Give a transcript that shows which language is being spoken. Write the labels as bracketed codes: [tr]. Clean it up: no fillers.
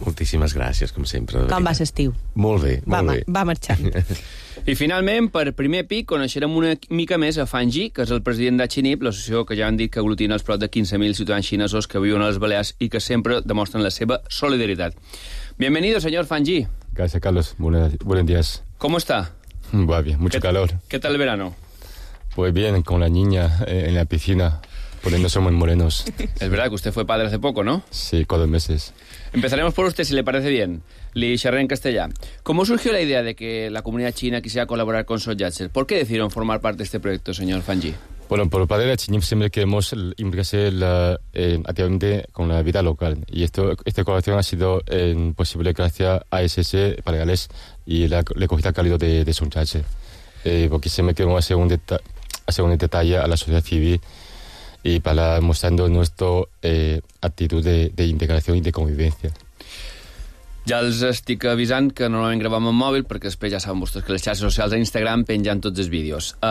[ca] Moltíssimes gràcies, com sempre. Com va l'estiu? Molt bé, molt bé. Va marxant. I finalment, per primer pic, coneixerem una mica més a Fang Yi, que és el president d'Achinip, l'associació que ja han dit que aglutina els prop de 15.000 ciutadans xinesos que viuen a les Balears i que sempre demostren la seva solidaritat. [es] Bienvenido, señor Fang Yi. Gracias, Carlos. Buenos días. ¿Cómo está? Va bien, mucho calor. ¿Qué tal el verano? Pues bien, con la niña en la piscina, poniéndose muy morenos. Es verdad que usted fue padre hace poco, ¿no? Sí, 4 meses. Empezaremos por usted, si le parece bien. [ca] Li xerré en castellà. [es] ¿Cómo surgió la idea de que la comunidad china quisiera colaborar con Sant Llàtzer? ¿Por qué decidieron formar parte de este proyecto, señor Fang Yi? Bueno, por parte de la Chiñim siempre queremos implicarse activamente con la vida local. Y esta colaboración ha sido posible gracias a ASS Paregales y la acogida cálida de Sunchache. Porque siempre queremos hacer un detalle a la sociedad civil y para mostrando nuestra actitud de integración y de convivencia. [ca] Ja els estic avisant que normalment gravem amb mòbil, perquè després ja saben vostès que les xarxes socials a Instagram pengen tots els vídeos.